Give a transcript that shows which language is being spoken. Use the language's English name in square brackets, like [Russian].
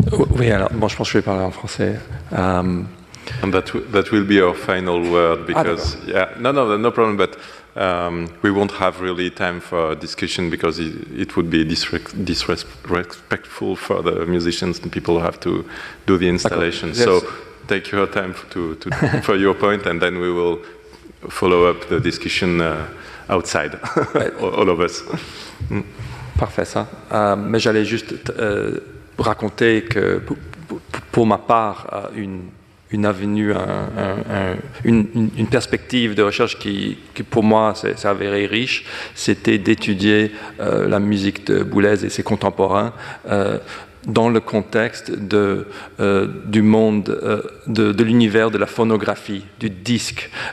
[French] Oui, alors, bon, je pense que je vais parler en français. [English] And that will be our final word because, no problem, but we won't have really time for discussion because it would be disrespectful for the musicians and people who have to do the installation. Okay. Yes. So take your time to for your point and then we will follow up the discussion outside, all of us. [French] Parfait, ça. Mais j'allais juste raconter que pour ma part, une avenue, une perspective de recherche qui pour moi s'est avérée riche, c'était d'étudier la musique de Boulez et ses contemporains dans le contexte du monde, de l'univers de la phonographie, du disque.